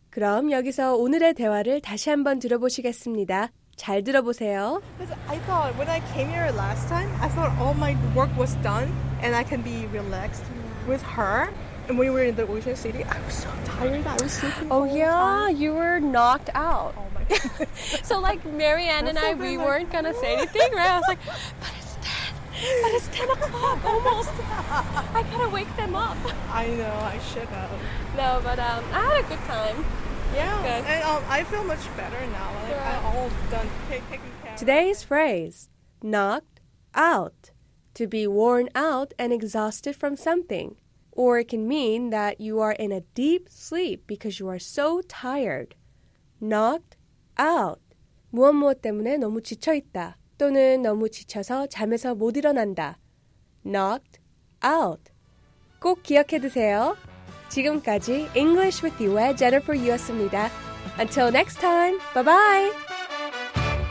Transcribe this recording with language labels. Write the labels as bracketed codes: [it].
[ko] 그럼 여기서 오늘의 대화를 다시 한번 들어보시겠습니다. 잘 들어보세요. [en] I thought when I came here last time, I thought all my work was done and I can be relaxed with her. And we were in the Ocean City. I was so tired. I was sleeping. Oh yeah, all the time. You were knocked out. Oh my god. So like Marianne and I, we weren't gonna say anything, right? I was like, but it's 10 o'clock almost. I gotta wake them up. I know. I should have. No, but I had a good time. Yeah, and I feel much better now. I'm all done taking care of. Today's phrase, knocked out, to be worn out and exhausted from something. Or it can mean that you are in a deep sleep because you are so tired. Knocked out. [ko] 무엇 무엇 때문에 너무 지쳐있다. 또는 너무 지쳐서 잠에서 못 일어난다. [en] Knocked out. [ko] 꼭 기억해 두세요. 지금까지 English with You의 Jennifer Yu였습니다. [en] Until next time, bye-bye!